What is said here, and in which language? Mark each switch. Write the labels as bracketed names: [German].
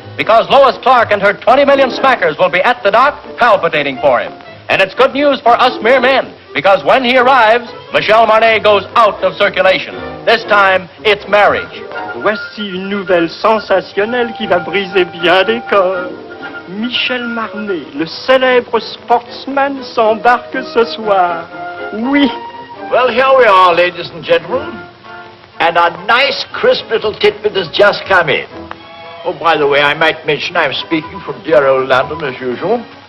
[English] Because Lois Clarke and her 20 million smackers will be at the dock palpitating for him. And it's good news for us mere men, because when he arrives, Michel Marnet goes out of circulation. This time, it's marriage. [French] Voici une nouvelle sensationnelle qui va briser bien des corps. Michel Marnet, le célèbre sportsman, s'embarque ce soir. Oui. [English] Well, here we are, ladies and gentlemen. And a nice, crisp little titbit has just come in. Oh, by the way, I might mention I'm speaking from dear old London, as usual.